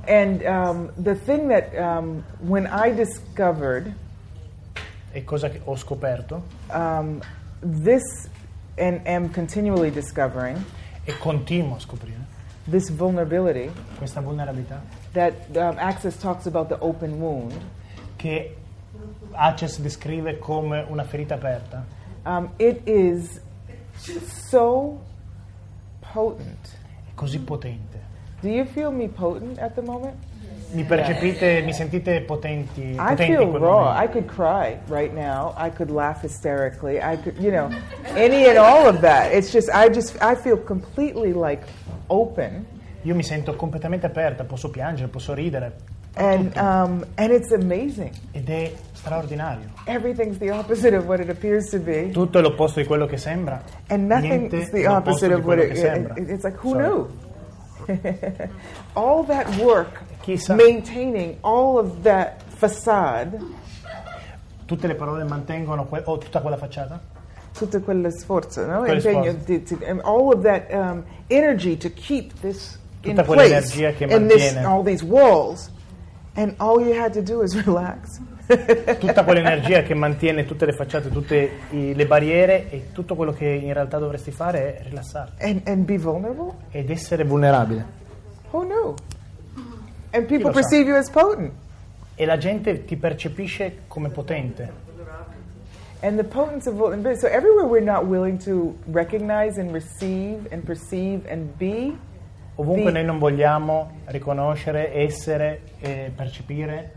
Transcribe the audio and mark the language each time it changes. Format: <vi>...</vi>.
<en>And the thing that when I discovered.</en> <it>E cosa che ho scoperto?</it> <en>This and am continually discovering.</en> <it>E continuo a scoprire.</it> <en>This vulnerability.</en> <it>Questa vulnerabilità.</it> <en>That Access talks about the open wound.</en> <it>Che Access descrive come una ferita aperta.</it> <en>It is so potent.</en> <it>È così potente.</it> <en>Do you feel me potent at the moment?</en> <it>Mi percepite, mi sentite potenti?</it> <en>I feel raw. I could cry right now. I could laugh hysterically. I could, you know, any and all of that. It's just, I feel completely like open.</en> <it>Io mi sento completamente aperta. Posso piangere, posso ridere.</it> <en>And it's amazing.</en> <it>Ed è straordinario.</it> <en>Everything's the opposite of what it appears to be.</en> <it>Tutto è l'opposto di quello che sembra.</it> <en>And nothing is the opposite of what it sembra. It's like who knew? All that work,</en> <it>chissà,</it> <en>maintaining all of that facade.</en> <it>Tutte le parole mantengono tutta quella facciata. Tutto quello sforzo, no? Impegno,</it> <en>and all of that energy to keep this</en> <it>tutta</it> <en>in place.</en> <it>Tutta quell'energia che mantiene.</it> <en>And all these walls. And all you had to do is relax.</en> <it>Tutta quell'energia che mantiene tutte le facciate, tutte le barriere, e tutto quello che in realtà dovresti fare è rilassarti.</it> <en>And be vulnerable.</en> <it>Ed essere vulnerabile.</it> <en>Who knew? And people perceive you as potent.</en> <it>E la gente ti percepisce come potente.</it> <en>And the potency of vulnerability. So everywhere we're not willing to recognize and receive and perceive and be.</en> <it>Ovunque noi non vogliamo riconoscere, essere, percepire</it>